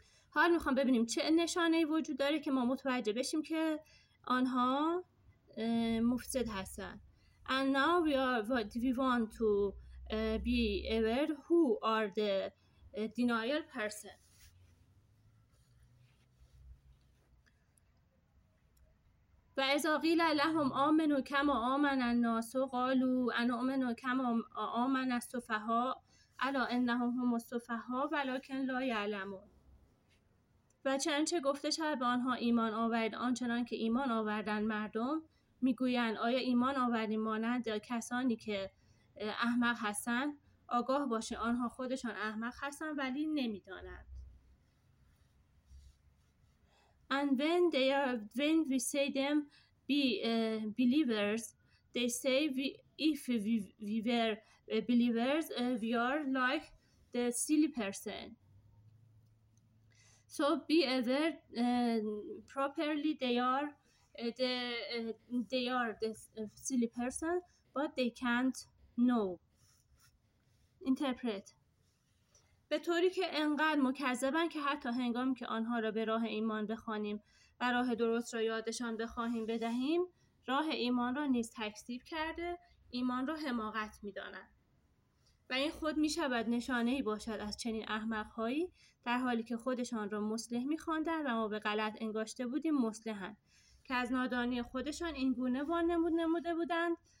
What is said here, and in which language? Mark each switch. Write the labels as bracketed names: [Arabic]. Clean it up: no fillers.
[Persian] حال میخوام ببینیم چه نشانه وجود داره که ما متوجه بشیم که آنها مفسد هستن. [English] And now we want to be aware who are the denial person. [Arabic] و از قیل لهم آمنو کما آمن الناس و قالو ان آمنو کما آمن السفها الا انهم هم السفها ولکن لا یعلمون. [Persian] و چنانچه گفته شد به آنها ایمان آورد آنچنان که ایمان آوردن مردم، میگویند آیا ایمان آوردی مانند کسانی که احمق هستن؟ آگاه باشه آنها خودشان احمق هستن ولی نمیدانند. [English] And when they are, when we say them be believers, they say if we were believers, we are like the silly person. So be aware properly. They are the silly person, but they can't know. Interpret. [Persian] به طوری که انقدر مکذبن که حتی هنگامی که آنها را به راه ایمان بخوانیم و راه درست را یادشان بخواهیم بدهیم، راه ایمان را نیز تکذیب کرده، ایمان را حماقت می‌دانند. و این خود می‌شود نشانه‌ای باشد از چنین احمق‌هایی، در حالی که خودشان را مسلح می‌خواندند و ما به غلط انگاشته بودیم مسلحند، که از نادانی خودشان این گونه وانمود نموده بودند.